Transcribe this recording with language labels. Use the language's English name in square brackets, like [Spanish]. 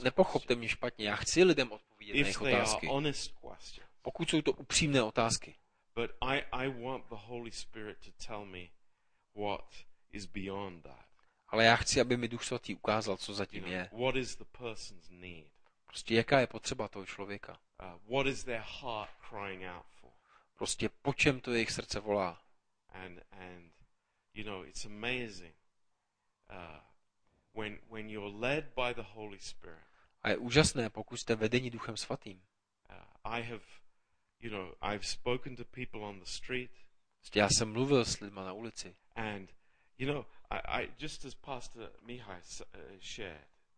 [Czech] A nepochopte mě špatně, já chci lidem odpovídat [English] if [Czech] na jejich otázky. [English] They are honest questions. [Czech] Pokud jsou to upřímné otázky. [English] But I want the Holy Spirit to tell me what is beyond that. [Czech] Ale já chci, aby mi Duch Svatý ukázal, co zatím je. [English] What is the person's need? [Czech] Prostě jaká je potřeba toho člověka? [English] What is their heart crying out for? [Czech] Prostě po čem to jejich srdce volá? [English] And you know, it's amazing. When you're led by the Holy Spirit. [Czech] A je úžasné, pokud jste vedeni Duchem Svatým. [English] I have, you know, I've spoken to people on the street. [Czech] Prostě já jsem mluvil s lidma na ulici. [English] And you know, I just as Pastor Mihai shared.